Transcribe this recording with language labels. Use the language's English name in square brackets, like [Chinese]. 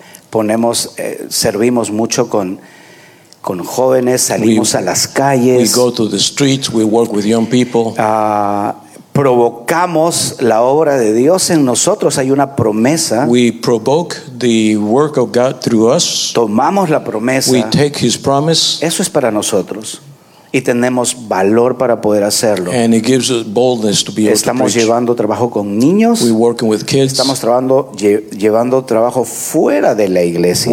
[Spanish] Ponemos, servimos mucho con jóvenes, salimos a las calles. [English] We go to the streets, we work with young people. [Spanish] Provocamos la obra de Dios en nosotros, hay una promesa. [English] We provoke the work of God through us. [Spanish] Tomamos la promesa. [English] We take his promise. [Spanish] Eso es para nosotros. Y tenemos valor para poder hacerlo. [English] And it gives us boldness to be able [Spanish] estamos [English] to preach. [Spanish] Llevando trabajo con niños. [English] We're working with kids. [Spanish] Estamos llevando trabajo fuera de la iglesia.